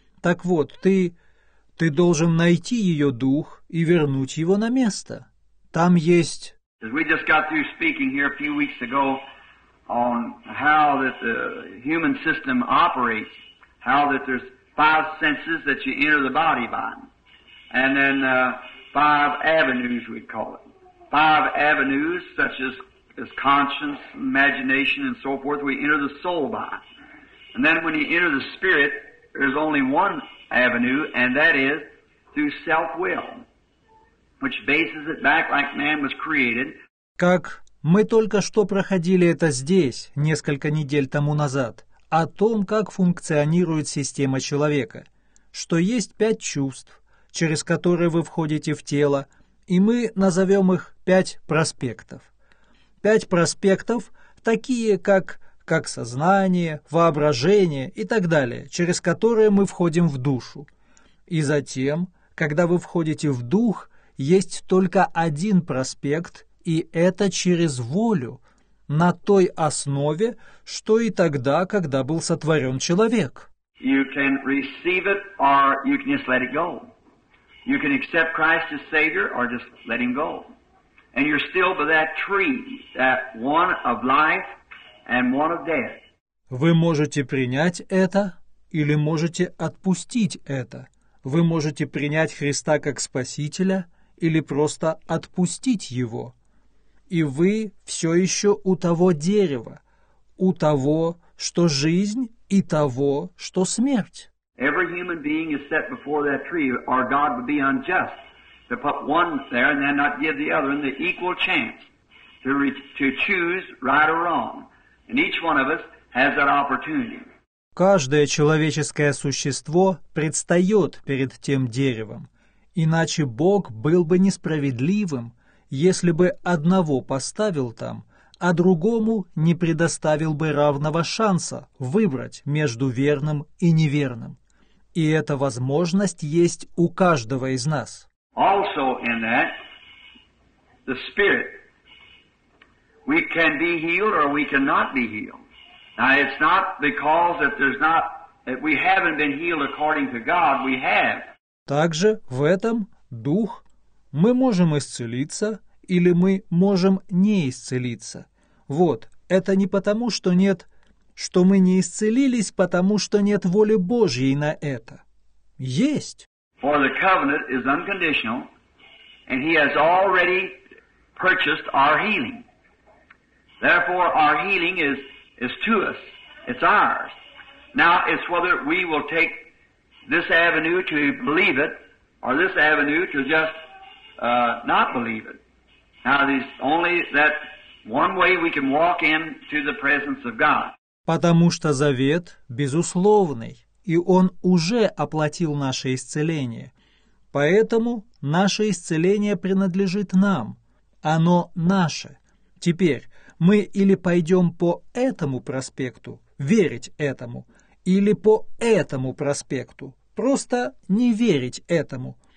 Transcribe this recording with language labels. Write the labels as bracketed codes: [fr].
[ru] Так вот, ты должен найти ее дух и вернуть его на место. Там есть... [en] We just got through speaking here a few weeks ago on how that the human system operates, how that there's five senses that you enter the body by, and then five avenues, we call it. Five avenues, such as conscience, imagination, and so forth, we enter the soul by. And then when you enter the spirit, there's only one avenue, and that is through self-will, which bases it back like man was created. [ru] Как мы только что проходили это здесь, несколько недель тому назад, о том, как функционирует система человека, что есть пять чувств, через которые вы входите в тело, и мы назовем их пять проспектов. Пять проспектов, такие как сознание, воображение и так далее, через которые мы входим в душу. И затем, когда вы входите в дух, есть только один проспект, и это через волю, на той основе, что и тогда, когда был сотворен человек. [en] You can receive it, or you can just let it go. You can accept Christ as Savior or just let him go. And you're still by that tree, that one of life and one of death. [ru] Вы можете принять это или можете отпустить это. Вы можете принять Христа как Спасителя или просто отпустить Его. И вы все еще у того дерева, у того, что жизнь, и того, что смерть. [en] Every human being is set before that tree, or God would be unjust to put one there and then not give the other the equal chance to choose right or wrong. And each one of us has that opportunity. [ru] Каждое человеческое существо предстает перед тем деревом, иначе Бог был бы несправедливым, если бы одного поставил там, а другому не предоставил бы равного шанса выбрать между верным и неверным. И эта возможность есть у каждого из нас. [en] Also in that, the spirit, we can be healed or we cannot be healed. Now it's not because that there's not that we haven't been healed according to God, we have. [ru] Также в этом дух мы можем исцелиться или мы можем не исцелиться. Вот, это не потому, что нет, что мы не исцелились, потому что нет воли Божьей на это. Есть. [en] For the covenant is unconditional, and he has already purchased our healing. Therefore, our healing is to us. It's ours. Now, it's whether we will take this avenue to believe it, or this avenue to just not believe it. Now, there's only that one way we can walk into the presence of God. [ru] Потому что завет безусловный, и он уже оплатил наше исцеление. Поэтому наше исцеление принадлежит нам. Оно наше. Теперь мы или пойдем по этому проспекту, верить этому, или по этому проспекту, просто не верить этому.